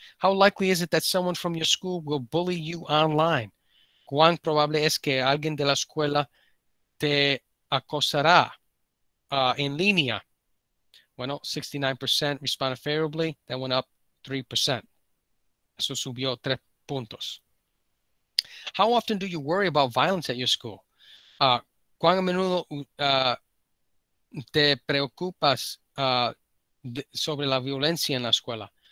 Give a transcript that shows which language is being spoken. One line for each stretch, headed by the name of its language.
English: How likely is it that someone from your school will bully you online?
Spanish: ¿Cuán probable es que alguien de la escuela te acosará en línea?
English: Bueno, 69% responded favorably. That went up 3%.
Spanish: Eso subió 3 puntos.
English: How often do you worry about violence at your school?
Spanish: ¿Cuán a menudo te preocupas sobre la violencia en la escuela?